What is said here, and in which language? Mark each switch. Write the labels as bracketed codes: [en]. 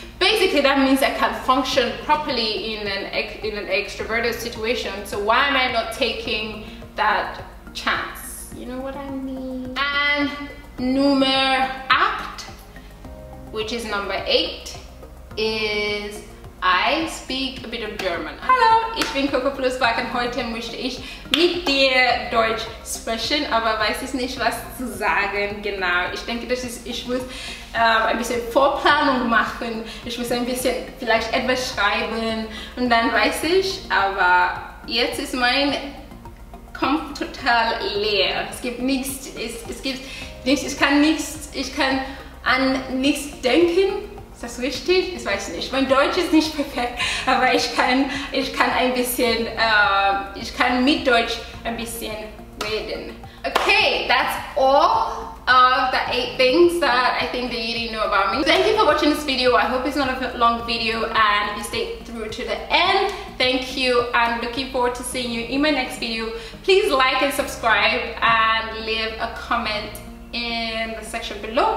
[en] Basically, that means I can function properly in an extroverted situation. So why am I not taking that chance? You know what I mean? And number eight, which is number eight, is I speak a bit of German. [de] Hallo, ich bin Coco Flussberg und heute möchte ich mit dir Deutsch sprechen, aber weiß ich nicht, was zu sagen. Genau, ich denke, das ist, ich muss ein bisschen Vorplanung machen, ich muss ein bisschen vielleicht etwas schreiben und dann weiß ich, aber jetzt ist mein Kopf total leer. Es gibt nichts, ich kann an nichts denken. Ist das richtig? Ich weiß nicht. Mein Deutsch ist nicht perfekt, aber ich kann mit Deutsch ein bisschen reden. [en] Okay, that's all of the 8 things that I think that you didn't know about me. Thank you for watching this video. I hope it's not a long video and you stay through to the end. Thank you and looking forward to seeing you in my next video. Please like and subscribe and leave a comment in the section below.